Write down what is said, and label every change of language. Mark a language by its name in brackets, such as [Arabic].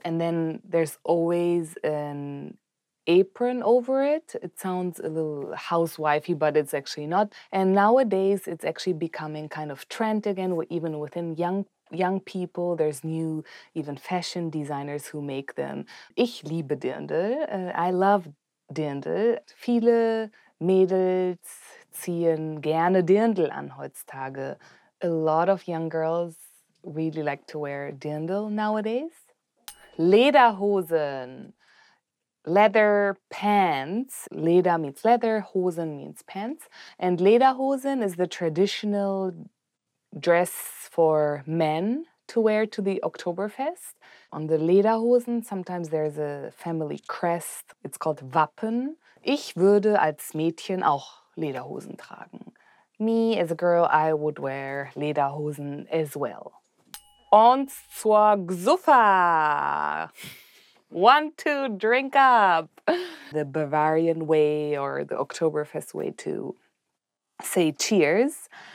[English] And then there's always an apron over it. It sounds a little housewifey, but it's actually not. And nowadays, it's actually becoming kind of trend again, even within young people. There's new even fashion designers who make them. [German] Ich liebe Dirndl. [English] I love Dirndl. [German] Viele Mädels ziehen gerne Dirndl an heutzutage. [English] A lot of young girls really like to wear Dirndl nowadays. Lederhosen. Leather pants. Leder means leather. Hosen means pants. And Lederhosen is the traditional dress for men to wear to the Oktoberfest. On the Lederhosen, sometimes there's a family crest. It's called Wappen. [German] Ich würde als Mädchen auch Lederhosen tragen. [English] Me, as a girl, I would wear Lederhosen as well. [German] Und zur Gsuffa! [English] One, two, drink up! The Bavarian way, or the Oktoberfest way to say cheers.